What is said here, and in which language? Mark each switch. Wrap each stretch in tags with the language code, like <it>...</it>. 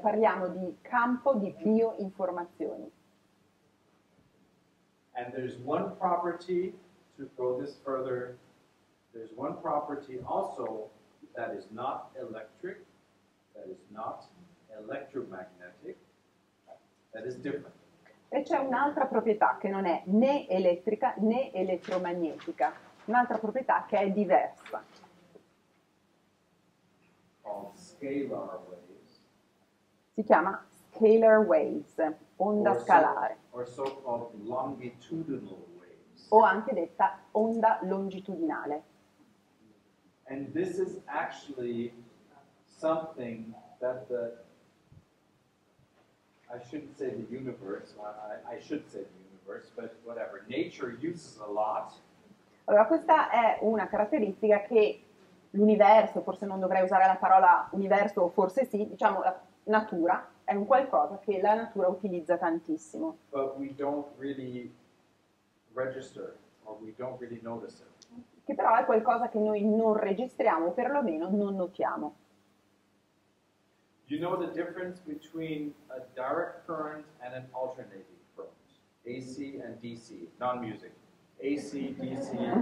<it>Parliamo di campo di bioinformazioni.</it> <en>And there's one property to throw this further, there's one property also that is not electric, that is not electromagnetic, that is different.</en> <it>E c'è un'altra proprietà che non è né elettrica né elettromagnetica, un'altra proprietà che è diversa.</it> <en>Called scalar waves.</en> <it>Si chiama scalar waves, onda</it> <en>or</en> <it>scalare.</it> <en>Or so-called longitudinal waves.</en> <it>O anche detta onda longitudinale.</it> <en>And this is actually something that the, I shouldn't say the universe, I should say the universe, but whatever, nature uses a lot.</en> <it>Allora, questa è una caratteristica che l'universo, forse non dovrei usare la parola universo, forse sì, diciamo la natura, è un qualcosa che la natura utilizza tantissimo.</it> <en>But we don't really register, or we don't really notice it.</en> <it>Che però è qualcosa che noi non registriamo, perlomeno non notiamo.</it> <en>You know the difference between a direct current and an alternating current, AC and DC, non-music, AC, DC,</en>